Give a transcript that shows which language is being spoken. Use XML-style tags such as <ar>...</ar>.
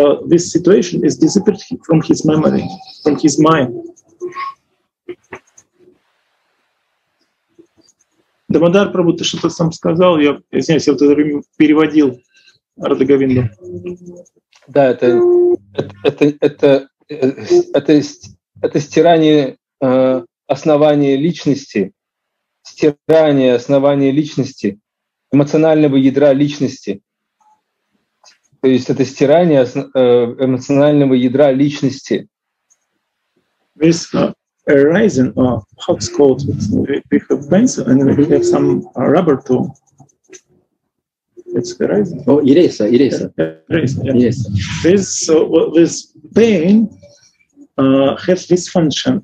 <en>This situation is disappeared from his memory, from his mind.</en> <ru>Дамодар Прабху, ты что-то сам сказал, я извиняюсь, я в это время переводил Радха Говинду. Да, это стирание основания личности, стирание основания личности, эмоционального ядра личности. То есть это стирание эмоционального ядра личности.</ru> <en>This arising or how it's called, we have pencil and we have some rubber tool. It's arising. Oh, eraser. Yeah. Eraser. Yes. This this pain has this function.</en>